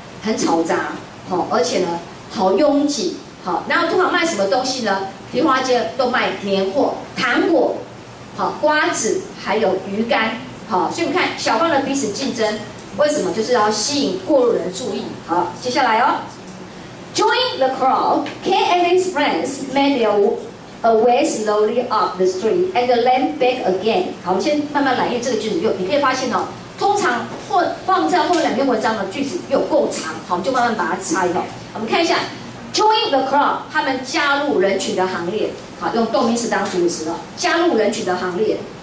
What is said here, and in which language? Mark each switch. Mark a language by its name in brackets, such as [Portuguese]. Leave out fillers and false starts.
[Chinese] 很吵杂，好，而且呢，好拥挤。好，然后通常卖什么东西呢？迪化街都卖年货、糖果、好瓜子，还有鱼干。好，所以我们看小贩的彼此竞争，为什么？就是要吸引过路人注意。好，接下来哦 ， [English] Join the crowd. Ken and his friends made their way slowly up the street and then back again. [Chinese] 好，我们先慢慢来，因为这个句子用，你可以发现哦，通常放在后面两篇文章的句子有够长，好，我们就慢慢把它拆了。我们看一下。 [English] Join the crowd， [Chinese] 他们加入人群的行列。好，用动名词当主词了。加入人群的行列。